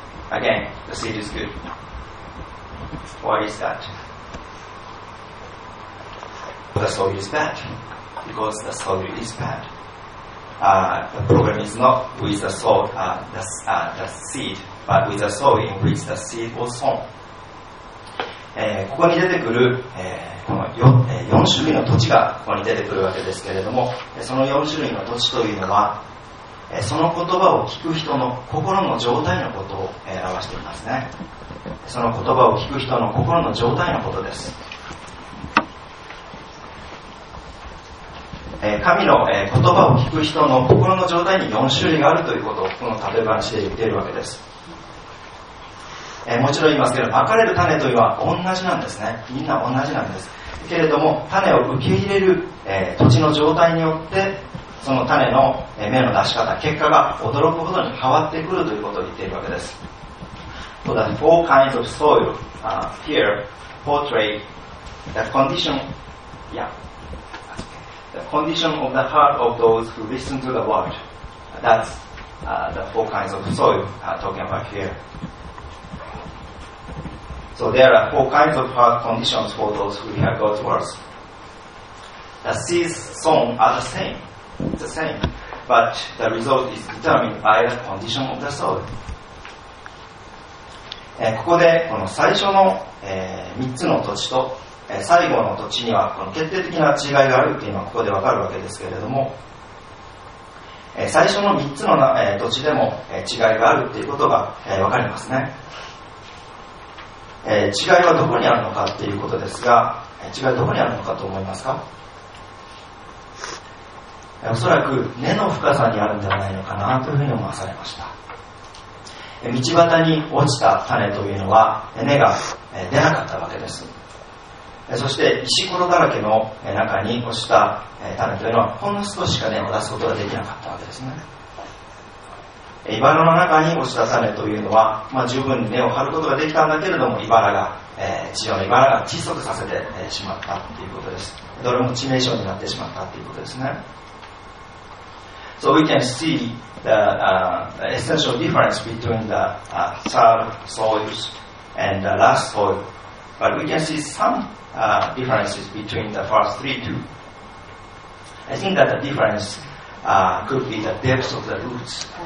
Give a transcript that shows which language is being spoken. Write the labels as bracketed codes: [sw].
[en] Again, the seed is good. Why is that? The soil is bad. Because the soil is bad. The problem is not with the soil, the seed, but with the soil in which the seed was sown. [ja] ここに出てくる、この4種類の土地がここに出てくるわけですけれども、その4種類の土地というのは、その言葉を聞く人の心の状態のことを表していますね。その言葉を聞く人の心の状態のことです。神の言葉を聞く人の心の状態に4種類があるということをこの例え話で言っているわけです。もちろん言いますけど、まかれる種というのは同じなんですね。みんな同じなんです。けれども種を受け入れる、土地の状態によって、その種の、芽の出し方、結果が驚くほどに変わってくるということを言っているわけです。 [en] So the four kinds of soil here portray the condition of the heart of those who listen to the word. That's the four kinds of soil talking about hereSo there are four kinds of heart conditions for those who hear God's words. The seeds sown are the same, but the result is determined by the condition of the soil. [ja] ここでこの最初の、3つの土地と、最後の土地にはこの決定的な違いがあるというのはここでわかるわけですけれども、最初の3つの、土地でも、違いがあるということがわかりますね。違いはどこにあるのかということですが、違いどこにあるのかと思いますか？おそらく根の深さにあるんではないのかなというふうに思わされました。道端に落ちた種というのは根が出なかったわけです。そして石ころだらけの中に落ちた種というのはほんの少ししか根を出すことができなかったわけですね。茨の中に落ちた種というのは、十分に根を張ることができたんだけれども、地上の茨が窒息させて、しまったということです。どれも致命傷になってしまったということですね。 [en] So we can see the essential difference between the third soils and the last soil, but we can see some differences between the first three too. I think that the differencecould be the depth of the roots.